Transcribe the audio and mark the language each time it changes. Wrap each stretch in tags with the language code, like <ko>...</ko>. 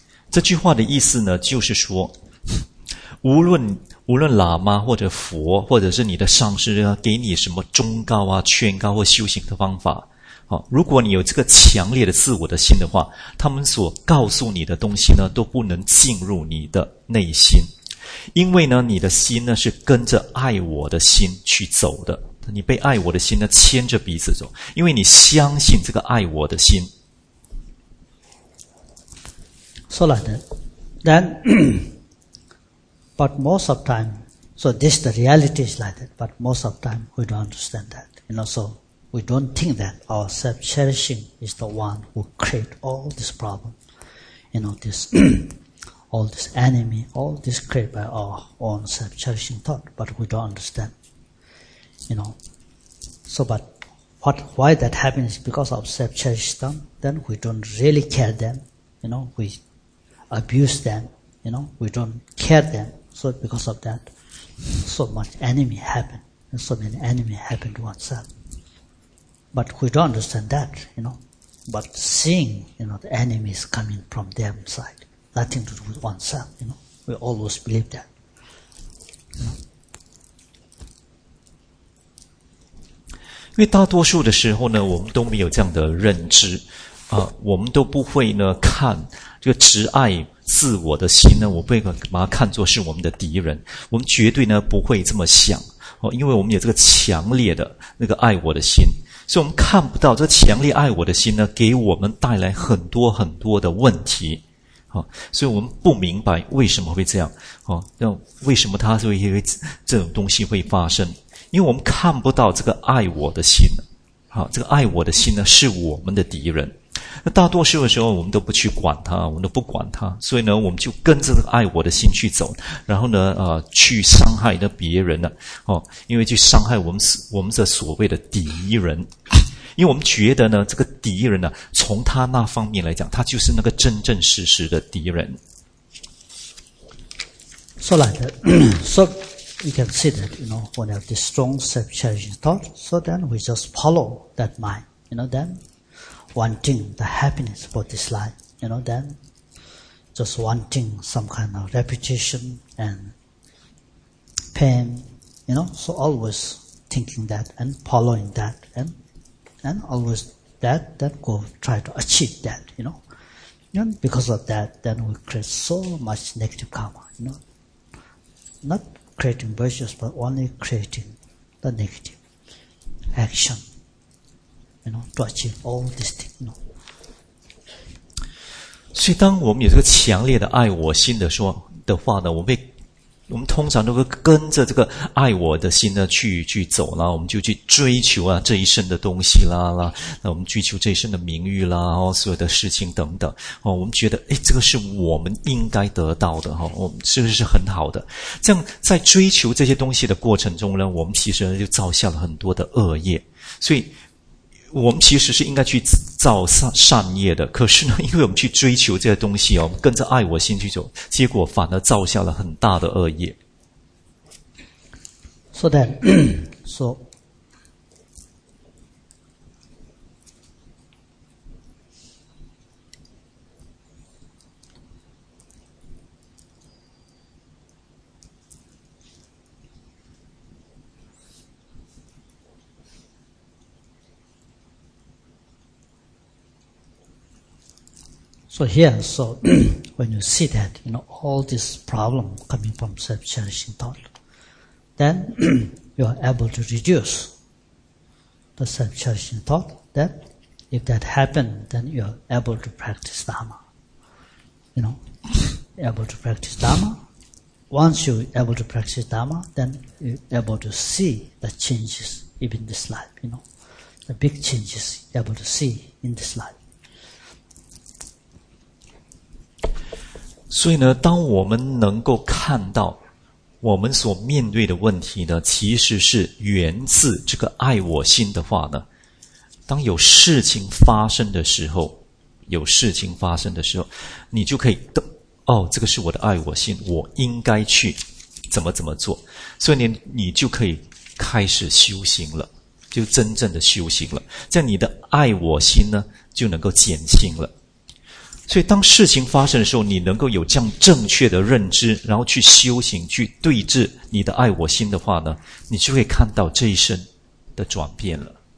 <zh>这句话的意思呢，就是说，无论喇嘛或者佛，或者是你的上师啊，给你什么忠告啊、劝告或修行的方法，如果你有这个强烈的自我的心的话，他们所告诉你的东西呢，都不能进入你的内心。因为呢，你的心呢，是跟着爱我的心去走的。你被爱我的心呢牵着鼻子走，因为你相信这个爱我的心。</zh> <en>So like that. Then, but most of time, so this the reality is like that, but most of time we don't understand that. You know, so we don't think that our self-cherishing is the one who create all this problem. You know, this, all this enemy, all this created by our own self-cherishing thought, but we don't understand. You know, so but what, why that happens is because of self-cherish them, then we don't really care them, you know, we abuse them, you know, we don't care them, so because of that, so much enemy happen, and so many enemy happen to oneself. But we don't understand that, you know, but seeing, you know, the enemy is coming from them side, nothing to do with oneself, you know, we always believe that, you know.</en> <zh>因为大多数的时候呢，我们都没有这样的认知，我们都不会呢看这个执爱自我的心呢，我不会把它看作是我们的敌人，我们绝对呢不会这么想，因为我们有这个强烈的那个爱我的心，所以我们看不到这强烈爱我的心呢，给我们带来很多很多的问题，所以我们不明白为什么会这样，为什么它会因为这种东西会发生。因为我们看不到这个爱我的心，这个爱我的心呢是我们的敌人。那大多数的时候我们都不去管它，我们都不管它，所以呢我们就跟着这个爱我的心去走，然后呢去伤害的别人了，因为去伤害我们这所谓的敌人。因为我们觉得呢这个敌人呢，从他那方面来讲，他就是那个真正实实的敌人。说来的说</zh> <en>You can see that, you know, when you have this strong self-cherishing thought, so then we just follow that mind, you know, then wanting the happiness for this life, you know, then just wanting some kind of reputation and pain, you know, so always thinking that and following that and always that go try to achieve that, you know, and because of that, then we create so much negative karma, you know, not,creating virtues, but only creating the negative action, you know, to achieve all these things, you know.</en> <zh>所以当我们有这个强烈的爱我心的说的话呢，我们通常都会跟着这个爱我的心呢去走啦，我们就去追求啊这一生的东西啦，那我们追求这一生的名誉啦，所有的事情等等，我们觉得诶这个是我们应该得到的，我们是不是很好的，这样在追求这些东西的过程中呢，我们其实就造下了很多的恶业，所以我们其实是应该去造善业的，可是呢因为我们去追求这些东西，我们跟着爱我心去走，结果反而造下了很大的恶业。</zh> <en>So then, so, So here, so when you see that, you know, all this problem coming from self-cherishing thought, then you are able to reduce the self-cherishing thought, that if that happened, then you are able to practice Dharma. You know, able to practice Dharma. Once you are able to practice Dharma, then you are able to see the changes even this life, you know, the big changes you are able to see in this life.</en> <zh>所以呢，当我们能够看到我们所面对的问题呢，其实是源自这个爱我心的话呢，当有事情发生的时候，有事情发生的时候，你就可以哦，这个是我的爱我心，我应该去怎么怎么做，所以你就可以开始修行了，就真正的修行了，这样你的爱我心呢就能够减轻了。所以当事情发生的时候，你能够有这样正确的认知，然后去修行，去对治你的爱我心的话呢，你就会看到这一生的转变了。</zh>